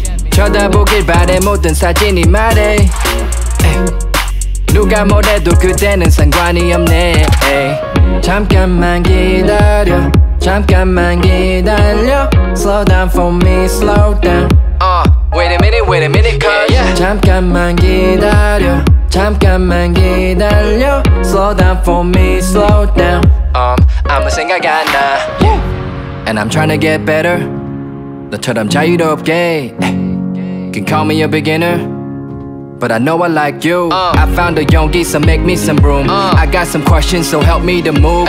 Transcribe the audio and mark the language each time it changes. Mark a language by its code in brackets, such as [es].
[ko] 쳐다보길 바래 모든 사진이 말해. 에이, 누가 뭐래도 그대는 상관이 없네. 에이. 잠깐만 기다려, 잠깐만 기다려. [en] Slow down for me, slow down. Wait a minute, wait a minute, cause yeah, yeah. [ko] 잠깐만 기다려, 잠깐만 기다려. [en] Slow down for me, slow down. [ko] 아무 생각 안 나. Yeah. [en] And I'm trying to get better. [ko] 너처럼 자유롭게. [en] You can call me a beginner, but I know I like you. I found a 용기, so make me some room. I got some questions, so help me to move.